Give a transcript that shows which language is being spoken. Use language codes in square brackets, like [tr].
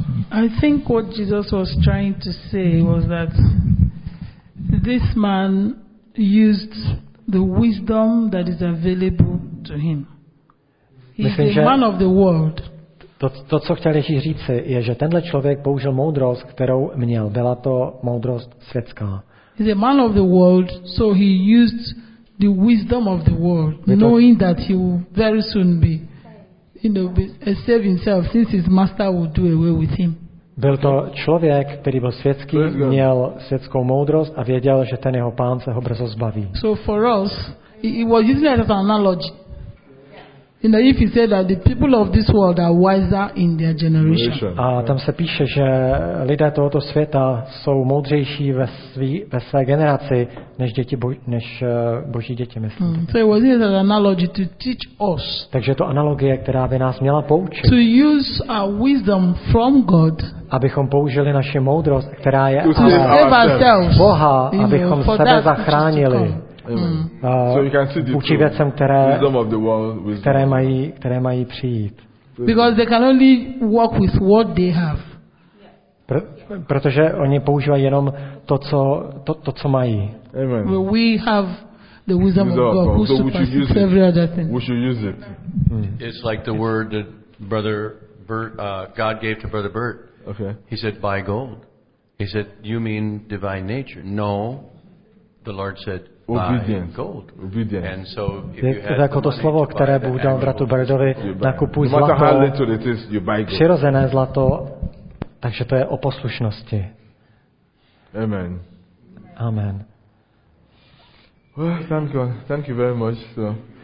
[en] I think what Jesus was trying to say was that this man used the wisdom that is available to him. He's a man of the world. [cs] To, co chtěl Ježíš říci, je, že tenhle člověk použil moudrost, kterou měl. Byla to moudrost světská. [en] He's a man of the world, so he used the wisdom of the world, knowing that he will very soon be, you know, be save himself, since his master will do away with him. [cs] Byl to člověk, který byl světský, měl světskou moudrost a věděl, že ten jeho pán se ho brzo zbaví. [en] So for us, he was using it as an analogy. You know, if he said that the people of this world are wiser in their generation. [cs] A tam se píše, že lidé tohoto světa jsou moudřejší ve své generaci než děti boží děti, myslím. [en] So it was an analogy to teach us. [cs] Takže to analogie, která by nás měla poučit. [en] To use our wisdom from God. [cs] Abychom použili naši moudrost, která je [en] to save ourselves. [cs] Boha, abychom [en] you know, [cs] sebe zachránili. [en] So you can see the [cs] učí věcem, které, [en] wisdom of the world, wisdom. [cs] Které mají přijít. [en] Because they can only work with what they have. [cs] Protože oni používají jenom to, co to co mají. [en] Amen. Well, we have the wisdom of God, who supplies every other thing. We should use it. It's like the word that Brother Bert, God gave to Brother Bert. Okay. He said, "Buy gold." He said, "You mean divine nature?" No. The Lord said. Obedience. And so if [cs] je to jako to slovo, které Bůh dal bratu Berdovi, nakupuj zlato, přirozené zlato, takže to je o poslušnosti. [en] Amen. Amen. Well, thank you. Thank you very much. So,